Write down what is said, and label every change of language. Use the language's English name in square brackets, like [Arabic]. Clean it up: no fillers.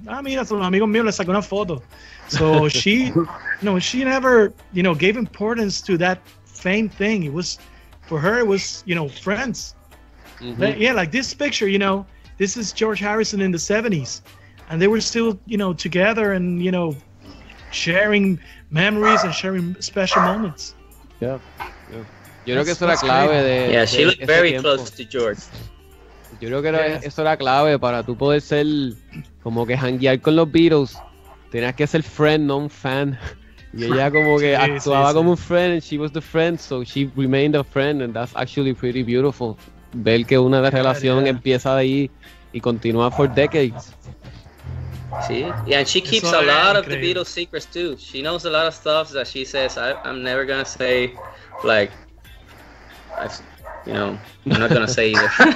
[Spanish] Ah, mira, son los amigos míos, les saqué una foto. [English] So she, no, she never, you know, gave importance to that fame thing. It was, for her, it was, you know, friends. Mm-hmm. Yeah, like this picture, you know, this is George Harrison in the 70s. And they were still, you know, together and, you know, sharing memories and sharing special moments. Yeah. [Spanish] Yo creo que eso era clave de... [English] Yeah, she looked very close to George. [Spanish] Yo creo que eso era clave para tú poder ser, como que hanguear con los Beatles. Tenías que ser friend, no un fan. Y ella como que actuaba como un friend, [English] and she was the friend, so she remained a friend, and that's actually pretty beautiful. [Spanish] Ver que una relación empieza ahí y continúa [English] for decades. [Spanish] Sí, [English] yeah, and she keeps a lot of the Beatles secrets too. She knows a lot of stuff that she says, I'm never gonna say, like, I'm not gonna say either.